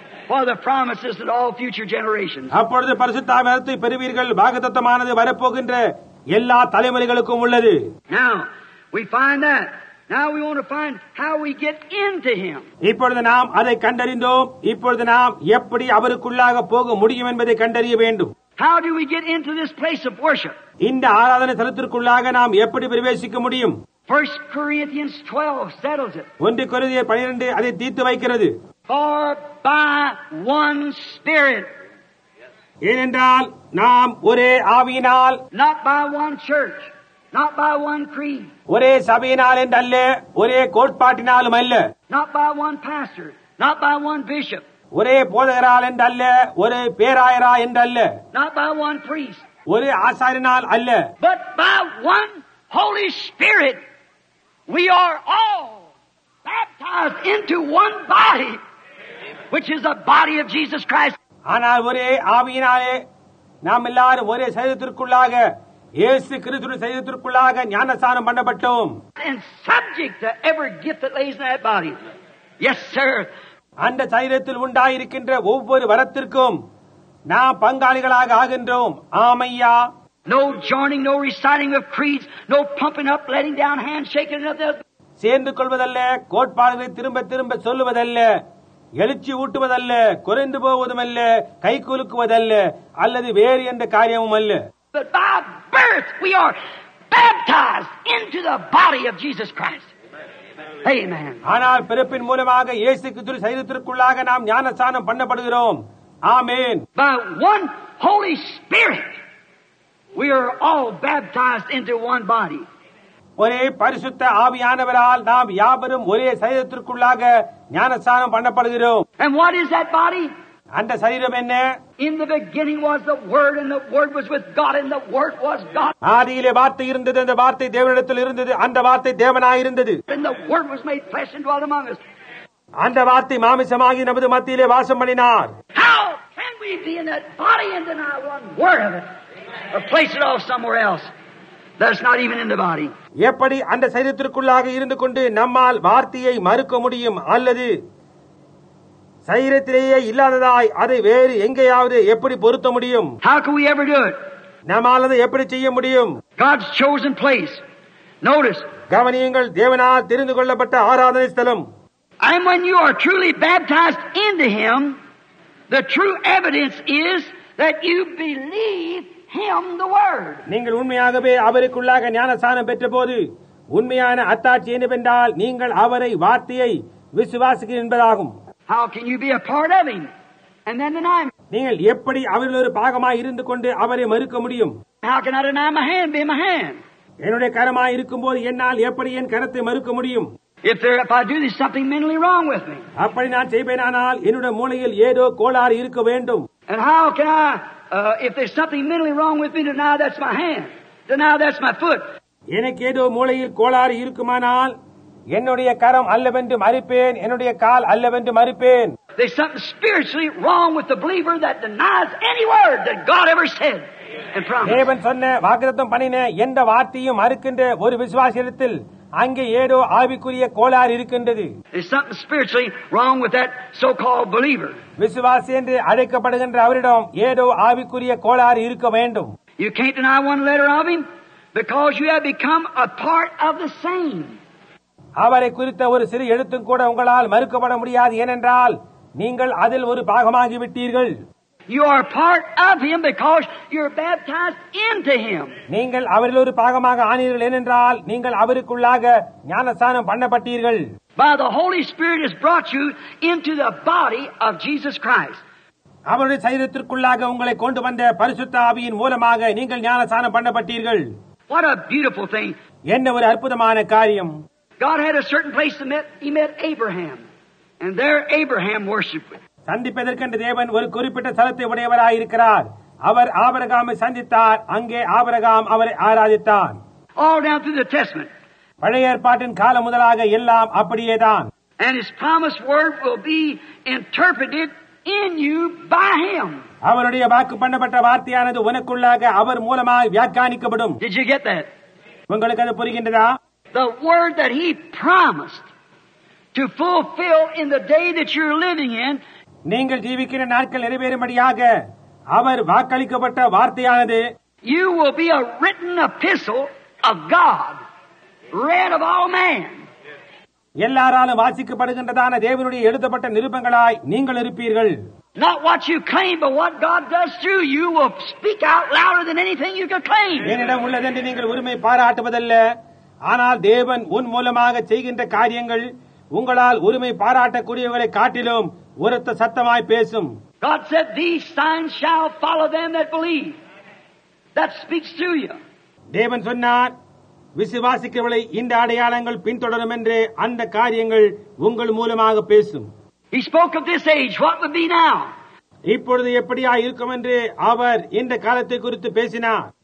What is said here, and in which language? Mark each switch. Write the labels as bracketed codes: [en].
[en] For the promises that all future generations. [ta] அப்பொழுது பரிசுத்த ஆவியானவரை பெறுவீர்கள். பாகத்தத்தமானது வரப்போகின்ற எல்லா தலைமுறைகளுக்கும் உள்ளது. [en] Now we find that. Now we want to find how we get into him. [ta] இப்பொழுது நாம் அதை கண்டறிந்தோம். இப்பொழுது நாம் எப்படி அவருக்குள்ளாக போக முடியும் என்பதை கண்டறிய வேண்டும். [en] How do we get into this place of worship? [ta] இந்த ஆராதனை தலத்திற்குள்ளாக நாம் எப்படி பிரவேசிக்க முடியும்? [en] 1 Corinthians 12 settles it. [ta] 1 கொரிந்தியர் 12 அதை தீர்த்து வைக்கிறது. [en] For by one spirit. [ta] ஏனென்றால் நாம் ஒரே ஆவியினால். [en] Not by one church. Not by one creed. [ta] ஒரே சபையினால் என்றல்ல, ஒரே கோட்பாட்டினாலும் அல்ல. [en] Not by one pastor. Not by one bishop. [ta] ஒரே போதகரால் என்றல்ல, ஒரே பேராயரா என்றல்ல. [en] Not by one priest. [ta] ஒரே ஆசாரியனால் அல்ல. [en] But by one Holy Spirit. We are all baptized into one body, which is the body of Jesus Christ. [ta] ஆனால் ஒரே ஆவியினாலே நாம் எல்லாரும் ஒரே சரீரத்திற்குள்ளாக, இயேசு கிறிஸ்துவின் சரீரத்திற்குள்ளாக ஞானஸ்நானம் பண்ணப்பட்டோம். [en] And subject to every gift that lays in that body. Yes, sir. [ta] அந்த சரீரத்தில் உண்டாயிருக்கின்ற ஒவ்வொரு வரத்திற்கும் நாம் பங்காளிகளாக ஆகின்றோம். ஆமையா? [en] No joining, no reciting of creeds, no pumping up, letting down, handshaking another. [ta] சேர்ந்து கொள்வதல்ல, கோட்பாடுகளை திரும்ப திரும்ப சொல்லுவதல்ல, எழுச்சி ஊட்டுவதல்ல, குறைந்து போவதும் அல்ல, கை குலுக்குவதல்ல, அல்லது வேறு எந்த காரியமும் அல்ல. [en] But by birth we are baptized into the body of Jesus Christ. Amen. [ta] ஆனால் பிறப்பின் மூலமாக இயேசு கிறிஸ்துவின் சரீரத்திற்குள்ளாக நாம் ஞானஸ்நானம் பண்ணப்படுகிறோம். [en] Amen. By one Holy Spirit we are all baptized into one body. [ta] ஒரே பரிசுத்த ஆவியானவரால் நாம் யாவரும் ஒரே சரீரத்திற்குள்ளாக ஞானஸ்நானம் பண்ணப்படுகிறோம். [en] And what is that body? [ta] அந்த சரீரம் என்ன? [en] In the beginning was the word and the word was with God and the word was God. [ta] ஆதியிலே வார்த்தை இருந்தது, அந்த வார்த்தை தேவனிடத்தில் இருந்தது, அந்த வார்த்தை தேவனாயிருந்தது. [en] And the word was made flesh and dwelt among us. [ta] அந்த வார்த்தை மாமிசமாகி நமது மத்தியிலே வாசம் பண்ணினார். [en] How can we be in that body and deny one word of it? Or place it off somewhere else. That's not even in the body. [ta] எப்படி அந்த சரீரத்திற்குள்ளாக இருந்து கொண்டு நம்மால் வார்த்தையை மறுக்க முடியும்? அல்லது சரீரத்திலேயே இல்லாததாய் அதை வேறு எங்கேயாவது எப்படி பொருத்த முடியும்? [en] How can we ever do it? [ta] நம்மால் அதை எப்படி செய்ய முடியும்? [en] God's chosen place. Notice. [ta] கவனியுங்கள், தேவனால் தெரிந்து கொள்ளப்பட்ட ஆராதனை ஸ்தலம். [en] And when you are truly baptized into him, the true evidence is that you believe him the word. [ta] நீங்கள் உண்மையாகவே அவருக்குள்ளாக ஞானஸ்நானம் பெற்றபோது உண்மையான அத்தாட்சி என்னவென்றால், நீங்கள் அவரை வார்த்தையை விசுவாசிக்கிறீர்கள் என்பதாகும். [en] How can you be a part of him and then deny him? [ta] நீங்கள் எப்படி அவரில் ஒரு பாகமாய் இருந்து கொண்டு அவரை மறுக்க முடியும்? [en] How can I deny my hand be my hand? [ta] என்னுடைய கரமாய் இருக்கும்போது என்னால் எப்படி என் கரத்தை மறுக்க முடியும்? [en] If I do this, something mentally wrong with me. [ta] அப்படி நான் செய்வேனானால் என்னுடைய மூளையில் ஏதோ கோளாறு இருக்க வேண்டும். [en] And how can I if there's something mentally wrong with me, deny that's my hand, deny that's my foot. [ta] எனக்கு ஏதோ மூளையில் கோளாறு இருக்குமானால் என்னுடைய கரம் அல்லவென்று மறுப்பேன், என்னுடைய கால் அல்லவென்று மறுப்பேன். [en] There's something spiritually wrong with the believer that denies any word that God ever said and promised. [ta] தேவன் சொன்ன வாக்குத்தத்தம் பண்ணின எந்த வார்த்தையும் மறுக்கின்ற ஒரு விசுவாசியத்தில் அங்கே ஏதோ ஆவிக்குரிய கோளாறு இருக்கின்றது. [en] There's something spiritually wrong with that so-called believer. [ta] விசுவாசி என்று அழைக்கப்படுகின்ற அவரிடம் ஏதோ ஆவிக்குரிய கோளாறு இருக்க வேண்டும். [en] You can't deny one letter of him because you have become a part of the same. [ta] அவரை குறித்த ஒரு சிறு எழுத்தும் கூட உங்களால் மறுக்கப்பட முடியாது. ஏனென்றால் நீங்கள் அதில் ஒரு பாகமாகிவிட்டீர்கள். [en] You are part of him because you're baptized into him. [ta] நீங்கள் அவரில் ஒரு பாகமாக ஆனீர்கள். ஏனென்றால் நீங்கள் அவருக்குள்ளாக ஞானஸ்நானம் பண்ணப்பட்டீர்கள். [en] By the Holy Spirit has brought you into the body of Jesus Christ. [ta] அவருடைய சரீரத்திற்குள்ளாக உங்களை கொண்டு வந்த பரிசுத்த ஆவியின் மூலமாக நீங்கள் ஞானஸ்நானம் பண்ணப்பட்டீர்கள். [en] What a beautiful thing. [ta] என்ன ஒரு அற்புதமான காரியம். [en] God had a certain place to meet. He met Abraham. And there Abraham worshiped. [ta] சந்திப்பதற்கென்று தேவன் ஒரு குறிப்பிட்ட ஸ்தலத்தை உடையவராயிருக்கிறார். அவர் ஆபிரகாமை சந்தித்தார். அங்கே ஆபிரகாம் அவரை ஆராதித்தார். [en] All down through the testament. [ta] பழைய ஏற்பாட்டின் காலம் முதலாக எல்லாம் அப்படியேதான். [en] And his promised word will be interpreted in you by him. [ta] அவருடைய வாக்கு பண்ணப்பட்ட வார்த்தையானது உனக்குள்ளாக அவர் மூலமாக வியாக்கியானிக்கப்படும். [en] Did you get that? [ta] உங்களுக்கு அது புரிகின்றதா? [en] The word that he promised to fulfill in the day that you're living in. [ta] நீங்கள் ஜீவிக்கிற நாட்கள் நிறைவேறும்படியாக அவர் வாக்களிக்கப்பட்ட வார்த்தையானது [en] You will be a written epistle of God, read of all men. [ta] எல்லாராலும் வாசிக்கப்படுகின்றதான தேவனுடைய எழுதப்பட்ட நிருபங்களாய் நீங்கள் இருப்பீர்கள். [en] Not what you claim, but what God does through you will speak out louder than anything you can claim. [ta] என்னிடம் உள்ளதென்று நீங்கள் உரிமை பாராட்டுவதல்ல, ஆனால் தேவன் உன் மூலமாக செய்கின்ற காரியங்கள் உங்களால் உரிமை பாராட்டக்கூடியவர்களை காட்டிலும் உரத்த சத்தமாய் பேசும். [en] God said, "These signs shall follow them that believe." That speaks to you. [ta] தேவன் சொன்னார், விசுவாசிக்கிறவர்களை இந்த அடையாளங்கள் பின்தொடரும் என்று அந்த காரியங்கள் உங்கள் மூலமாக பேசும். [en] He spoke of this age. What would be now? [ta] இப்பொழுது எப்படியா இருக்கும் என்று அவர் இந்த காலத்தை குறித்து பேசினார்.